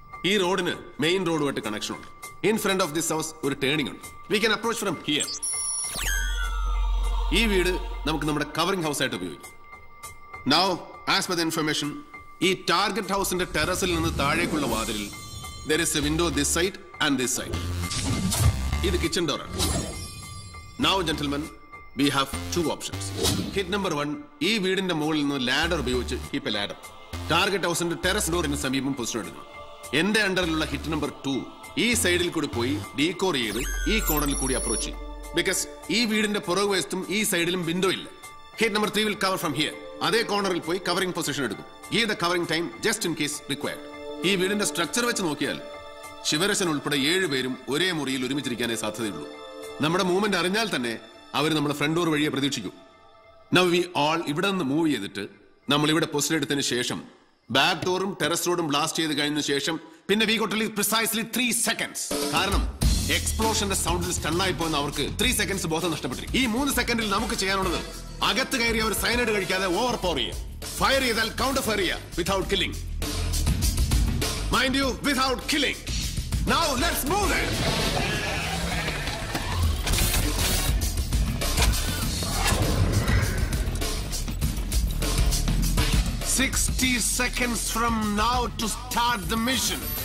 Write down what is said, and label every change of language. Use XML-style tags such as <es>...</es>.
<ml>ഈ റോഡിന് main റോഡുമായിട്ട് connection ഉണ്ട്.</ml> <en>in front of this house</en> <ml>ഒരു ടേണിംഗ് ഉണ്ട്,</ml> <en>We can approach from here.</en> <ml>ഈ വീട് നമുക്ക് നമ്മുടെ കവറിംഗ് ഹൗസ് ആയിട്ട് ഉപയോഗിക്കാം.</ml> <en>now as per the information,</en> <ml>ഈ ടാർഗറ്റ് ഹൗസിന്റെ ടെറസിൽ നിന്ന് താഴേക്കുള്ള വാതിലിൽ</ml> <en>there is a window this side and this side.</en> <ml>ഇത് kitchen door.</ml> <en>Now gentlemen, we have two options.</en> <ml>Hit number 1, ഈ വീടിന്റെ മുകളിൽ നിന്ന് ലാഡർ ഉപയോഗിച്ച്</ml> <en>keep a ladder.</en> <ml>ടാർഗറ്റ് ഹൗസിന്റെ ടെറസ് ഡോറിന് സമീപം പൊസിഷൻ എടുക്കുക. എന്റെ അണ്ടറിലുള്ള ഹിറ്റ് നമ്പർ 2 ഈ സൈഡിൽ കൂടി പോയി ഡീകോർ ചെയ്ത് ഈ കോണറിൽ കൂടി അപ്രോച്ച് ചെയ്യും, ബിക്കോസ് ഈ വീടിന്റെ പുറകുവശത്തും ഈ സൈഡിലും വിൻഡോ ഇല്ല. Hit number 3</ml> <en>will cover from here,</en> <ml>അതേ കോണറിൽ പോയി കവറിംഗ് പൊസിഷൻ എടുക്കും.</ml> <en>give the covering time just in case required.</en> <ml>ഈ വീടിന്റെ സ്ട്രക്ചർ വെച്ച് നോക്കിയാൽ ശിവരശൻ ഉൾപ്പെടെ ഏഴ് പേരും ഒരേ മുറിയിൽ ഒരുമിച്ചിരിക്കാനേ സാധ്യതയുള്ളൂ. നമ്മുടെ മൂവ്മെന്റ് അറിഞ്ഞാൽ തന്നെ അവർ നമ്മുടെ ഫ്രണ്ട് ഡോർ വഴിയെ പ്രതീക്ഷിക്കും. Now we all ഇവിടെ നിന്ന് മൂവ് ചെയ്തിട്ട് നമ്മൾ ഇവിടെ പൊസിഷൻ എടുത്തതിന് ശേഷം ബാക്ക് ഡോറും ടെറസ് റോഡും ബ്ലാസ്റ്റ് ചെയ്ത് കഴിഞ്ഞ ശേഷം പിന്നെ</ml> <en>we got to leave precisely</en> <ml>3 seconds. കാരണം എക്സ്പ്ലോഷന്റെ സൗണ്ടിൽ സ്റ്റണ്ണായി പോകുന്ന അവർക്ക് 3 seconds ബോധം നഷ്ടപ്പെട്ടു. ഈ 3 സെക്കൻഡിൽ നമുക്ക് ചെയ്യാനുള്ളത് അകത്ത് കയറിയ ഒരു സൈനൈഡ് കഴിക്കാതെ ഓവർ പവർ ചെയ്യുക, ഫയർ ചെയ്താൽ കൗണ്ടർ ഫയർ ചെയ്യുക</ml> <en>Without killing. Mind you, without killing. Now let's move it. Seconds from now to start the mission.</en>